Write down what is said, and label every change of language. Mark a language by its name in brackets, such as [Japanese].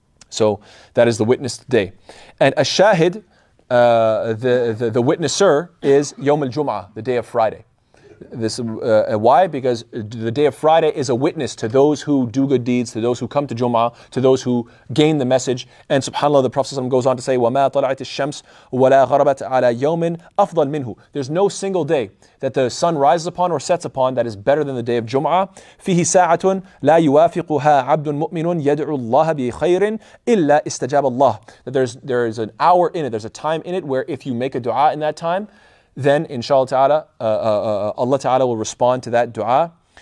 [English] So that is the witness day. And Ashahid, the witnesser, is Yom al-Jum'ah, the day of Friday. This why? Because the day of Friday is a witness to those who do good deeds, to those who come to Jum'ah, to those who gain the message. And subhanAllah, the Prophet goes on to say, [Arabic] وَمَا طَلَعَتِ الشَّمْسُ وَلَا غَرَبَتْ عَلَى يَوْمٍ أَفْضَلْ مِنْهُ. [English] There's no single day that the sun rises upon or sets upon that is better than the day of Jum'ah. [Arabic] فِيهِ سَاعَةٌ لَا يُوَافِقُهَا عَبْدٌ مُؤْمِنٌ يَدْعُ اللَّهَ بِخَيْرٍ إِلَّا إِسْتَجَابَ اللَّهُ. [English] That there is an hour in it, there's a time in it where if you make a dua in that time, then inshallah ta'ala, Allah ta'ala will respond to that dua.